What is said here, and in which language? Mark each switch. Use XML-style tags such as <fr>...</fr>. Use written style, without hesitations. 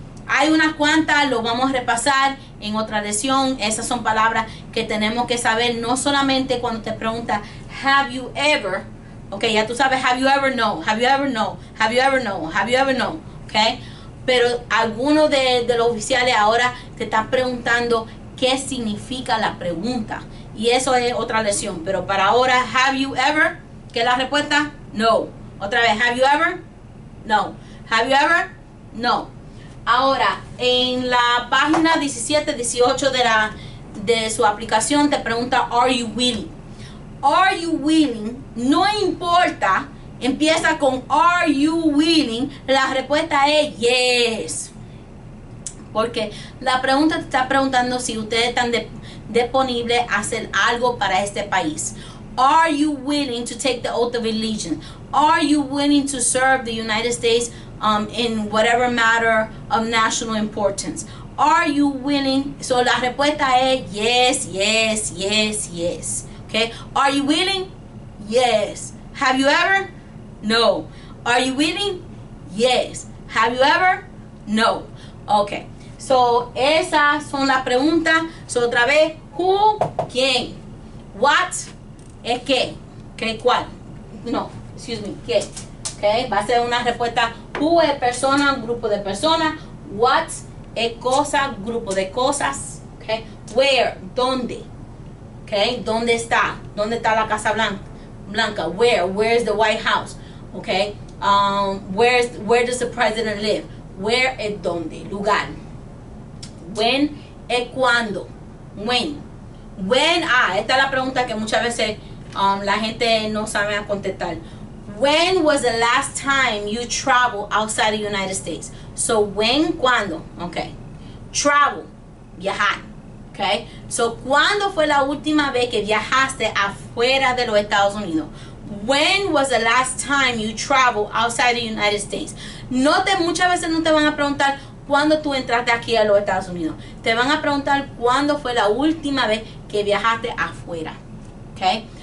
<es>Hay unas cuantas, lo vamos a repasar en otra lección. Esas son palabras que tenemos que saber, no solamente cuando te pregunta</es> <en>have you ever, okay,</en> <es>ya tú sabes,</es> <en>have you ever, no, have you ever, no, have you ever, no, have you ever, no, okay.</en> <es>Pero alguno de los oficiales ahora te está preguntando qué significa la pregunta. Y eso es otra lección. Pero para ahora,</es> <en>have you ever,</en> <es>¿qué es la respuesta? No. Otra vez,</es> <en>have you ever, no, have you ever, no.</en> <es>Ahora, en la página 17, 18 de su aplicación, te pregunta,</es> <en>are you willing? Are you willing?</en> <es>No importa, empieza con,</es> <en>are you willing?</en> <es>La respuesta es yes. Porque la pregunta te está preguntando si ustedes están disponibles a hacer algo para este país.</es> <en>Are you willing to take the oath of allegiance? Are you willing to serve the United States in whatever matter of national importance? Are you willing?</en> <es>So la respuesta es yes, yes, yes, yes.</es> <en>Okay. Are you willing? Yes. Have you ever? No. Are you willing? Yes. Have you ever? No. Okay.</en> <es>So esas son las preguntas. So otra vez, who? ¿Quién? What? ¿Es qué? ¿Qué? ¿Cuál? No.</es> <en>Excuse me.</en> <es>¿Qué? Okay. Va a ser una respuesta. Who es persona, grupo de personas. What es cosa, grupo de cosas. Okay. Where, dónde. Okay. ¿Dónde está? ¿Dónde está la Casa Blanca?</es> <en>Where, where is the White House? Okay. Where does the president live? Where</en> <es>es dónde, lugar. When es cuándo. When. When, esta es la pregunta que muchas veces la gente no sabe contestar.</es> <en>When was the last time you traveled outside the United States?</en> <es>So when, cuando, okay. Travel, viajar, okay. So cuando fue la última vez que viajaste afuera de los Estados Unidos?</es> <en>When was the last time you traveled outside the United States?</en> <es>Note, muchas veces no te van a preguntar cuando tú entraste aquí a los Estados Unidos. Te van a preguntar cuando fue la última vez que viajaste afuera, okay.</es>